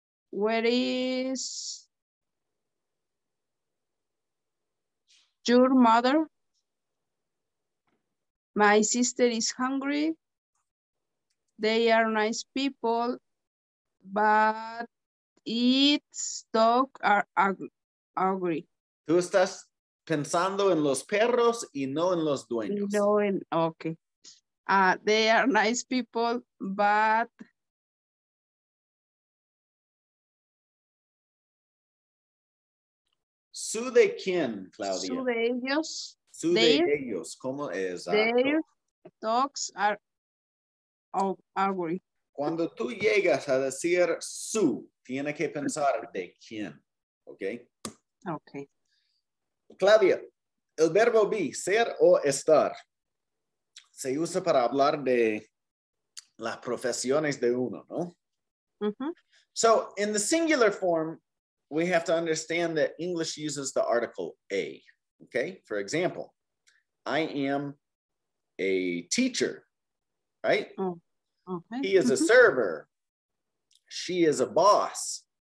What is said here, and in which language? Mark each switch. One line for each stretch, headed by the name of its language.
English: Where is your mother? My sister is hungry. They are nice people, but its dog are ugly.
Spanish: Tú estás pensando en los perros y no en los dueños.
English: No, okay. They are nice people, but
Spanish: Su de quién, Claudia? Su de ellos. Su de ellos. ¿Cómo es?
English: Their dogs are worried.
Spanish: Cuando tú llegas a decir su, tiene que pensar de quién. ¿Ok? Ok. Claudia, el verbo be, ser o estar, se usa para hablar de las profesiones de uno, ¿no? Mm-hmm.
English: So, in the singular form, we have to understand that English uses the article a. Okay? For example, I am a teacher, right? Oh, okay. He is a server. She is a boss.